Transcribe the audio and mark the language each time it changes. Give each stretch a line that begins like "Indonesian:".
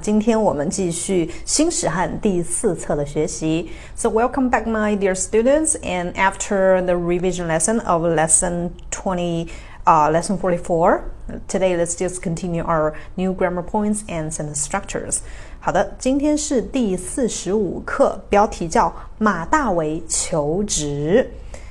Chinese: 今天我们继续新史汉第四册的学习。
English: So welcome back, my dear students. And after the revision lesson of lesson 44, today let's just continue our new grammar points and sentence structures.
Chinese: 好的，今天是第四十五课，标题叫《马大为求职》。